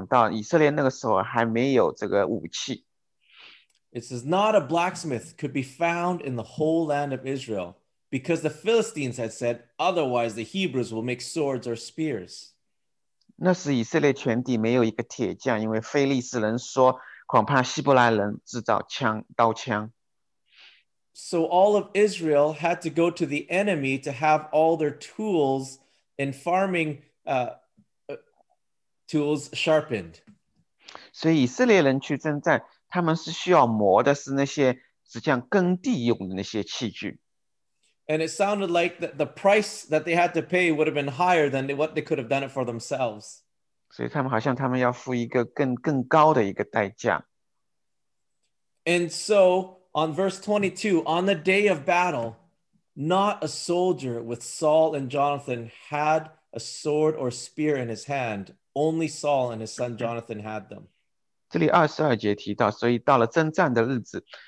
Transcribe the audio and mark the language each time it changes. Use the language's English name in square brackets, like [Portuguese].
[Chinese] 19节到22节讲到以色列那个时候还没有这个武器。 [English] It says, not a blacksmith could be found in the whole land of Israel, because the Philistines had said, otherwise the Hebrews will make swords or spears. [Chinese] 那时以色列全地没有一个铁匠，因为非利士人说，恐怕希伯来人制造枪，刀枪。 [English] So all of Israel had to go to the enemy to have all their tools and farming tools sharpened. [Chinese] 所以以色列人去征战, 他们是需要磨的是那些实际上耕地用的那些器具。 [English] And it sounded like that the price that they had to pay would have been higher than what they could have done it for themselves. [Chinese] 所以他们好像他们要付一个更高的一个代价。 [English] And so on verse 22, on the day of battle, not a soldier with Saul and Jonathan had a sword or spear in his hand. Only Saul and his son Jonathan had them. [Chinese] 这里22节提到，所以到了征战的日子。